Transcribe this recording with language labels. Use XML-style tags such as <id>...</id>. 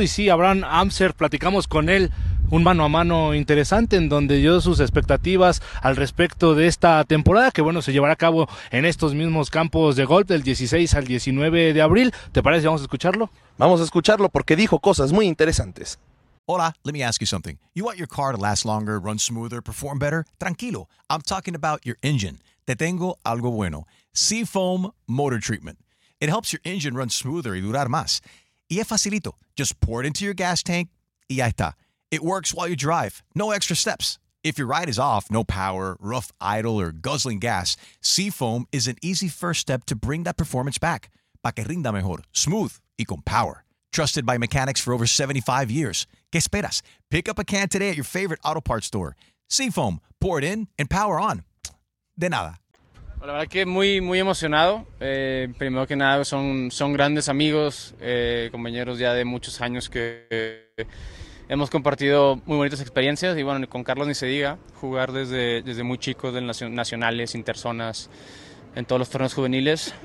<es>Y sí, Abraham Anser, platicamos con él un mano a mano interesante en donde dio sus expectativas al respecto de esta temporada, que bueno, se llevará a cabo en estos mismos campos de golf del 16 al 19 de abril. ¿Te parece? ¿Vamos a escucharlo? Vamos a escucharlo porque dijo cosas muy interesantes.</es> <en>Hola, let me ask you something. You want your car to last longer, run smoother, perform better? Tranquilo, I'm talking about your engine.</en> <es>Te tengo algo bueno. Seafoam Motor Treatment.</es> <en>It helps your engine run smoother</en> <es>y durar más. Y es facilito.</es> <en>Just pour it into your gas tank</en> <es>y ya está.</es> <en>It works while you drive. No extra steps. If your ride is off, no power, rough idle, or guzzling gas, Seafoam is an easy first step to bring that performance back.</en> <es>Pa' que rinda mejor, smooth, y con power.</es> <en>Trusted by mechanics for over 75 years.</en> <es>¿Qué esperas?</es> <en>Pick up a can today at your favorite auto parts store. Seafoam. Pour it in and power on.</en> <es>De nada. La verdad que muy, muy emocionado. Primero que nada, son grandes amigos, compañeros ya de muchos años que hemos compartido muy bonitas experiencias. Y bueno, con Carlos ni se diga, jugar desde muy chico, de nacionales, interzonas, en todos los torneos juveniles.</es>